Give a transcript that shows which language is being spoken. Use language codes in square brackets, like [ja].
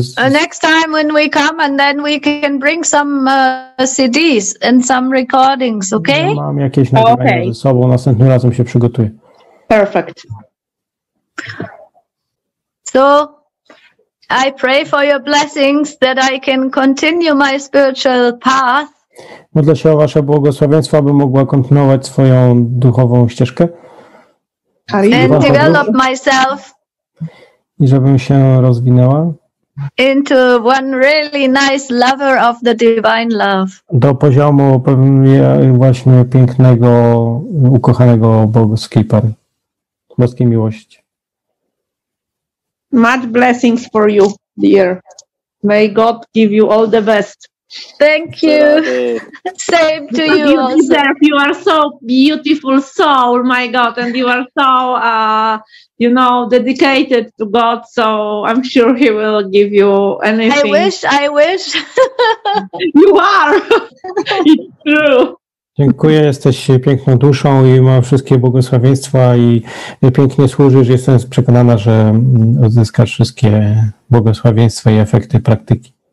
[en] Next time when we come, and then we can bring some CDs and some recordings, okay? [pl] Mam jakieś nagrania ze sobą. Następnym razem się przygotuję. [en] Perfect. So I pray for your blessings that I can continue my spiritual path. [pl] Modlę się o wasze błogosławieństwo, aby mogła kontynuować swoją duchową ścieżkę. [en] And develop myself. [pl] I żebym się rozwinęła. [en] into one really nice lover of the divine love. [pl] Do poziomu właśnie pięknego, ukochanego boskiej pary, boskiej miłości. [en] Much blessings for you, dear. May God give you all the best. Thank you. Same to you. You deserve. You are so beautiful soul, my God, and you are so, you know, dedicated to God. So I'm sure He will give you anything. I wish. You are. It's true. [pl] Dziękuję, jesteś piękną duszą i mam wszystkie błogosławieństwa i pięknie służysz. Jestem przekonana, że odzyskasz wszystkie błogosławieństwa i efekty praktyki.